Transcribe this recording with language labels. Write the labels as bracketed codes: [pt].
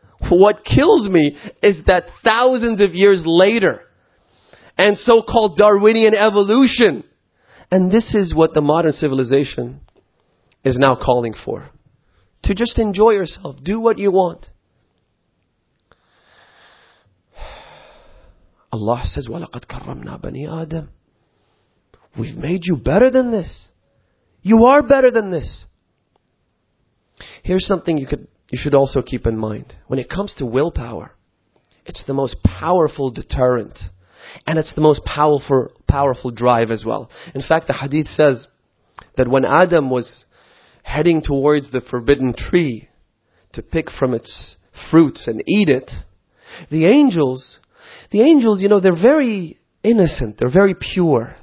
[en] What kills me is that thousands of years later, and so-called Darwinian evolution, and this is what the modern civilization is now calling for. To just enjoy yourself, do what you want. Allah says, [ar] وَلَقَدْ كَرَّمْنَا بَنِي آدَمْ. [en] We've made you better than this. You are better than this. Here's something you should also keep in mind. When it comes to willpower, it's the most powerful deterrent. And it's the most powerful drive as well. In fact, the hadith says that when Adam was heading towards the forbidden tree to pick from its fruits and eat it, the angels, you know, they're very innocent. They're very pure.